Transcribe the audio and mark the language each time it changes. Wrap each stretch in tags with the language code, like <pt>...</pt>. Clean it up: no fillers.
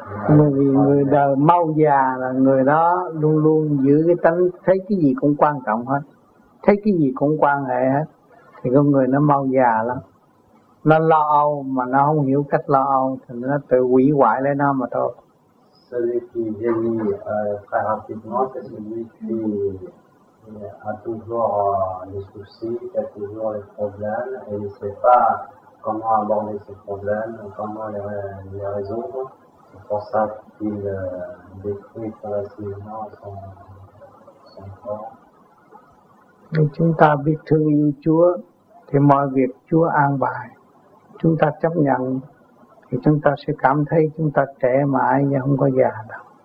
<vi>Người đời mau già là người đó luôn luôn giữ cái tánh thấy cái gì cũng quan trọng hết, thấy cái gì cũng quan hệ hết, thì con người nó mau già lắm. Nó lo âu mà nó không hiểu cách lo âu thì nó tự hủy hoại lấy nó mà thôi.</vi> <fr>Celui qui vieillit très rapidement, c'est celui qui a toujours les soucis, qui a toujours les problèmes, et ne sait pas comment aborder ces problèmes, comment les résoudre. C'est pour ça qu'il détruit progressivement son corps.</fr> <vi>Nous, chúng ta biết thương yêu Chúa, thì mọi việc Chúa an bài, chúng ta chấp nhận. Thì chúng ta sẽ cảm thấy chúng ta trẻ mãi nhưng không có già đâu.</vi>